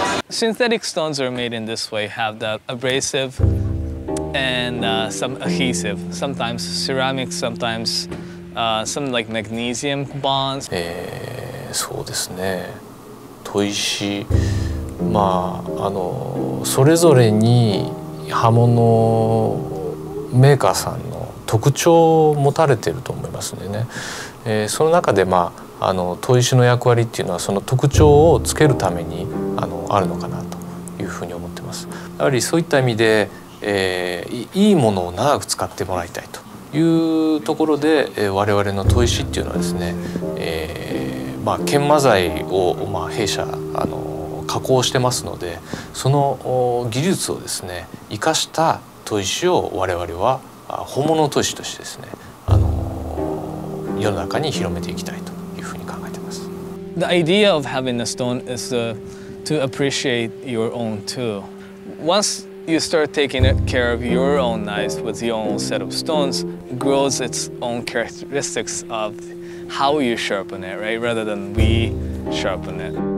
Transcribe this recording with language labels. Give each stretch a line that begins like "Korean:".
English: Synthetic stones are made in this way, have that abrasive and some adhesive, sometimes ceramics, sometimes some like magnesium bonds.
Japanese: そうですね。砥石、まあ、それぞれに刃物メーカーさんの特徴を持たれていると思いますのでね。その中で、まあ、砥石の役割っていうのはその特徴をつけるためにあるのかなというふうに思ってます。やはりそういった意味で、いいものを長く使ってもらいたいというところで、我々の砥石っていうのはですね、まあ、研磨材を、まあ、弊社加工してますので、その技術をですね生かした砥石を我々は本物の砥石としてですね世の中に広めていきたいというふうに考えています。
English: The idea of having a stone is to appreciate your own tool. Once you start taking care of your own knives with your own set of stones, it grows its own characteristics ofHow you sharpen it, right? Rather than we sharpen it.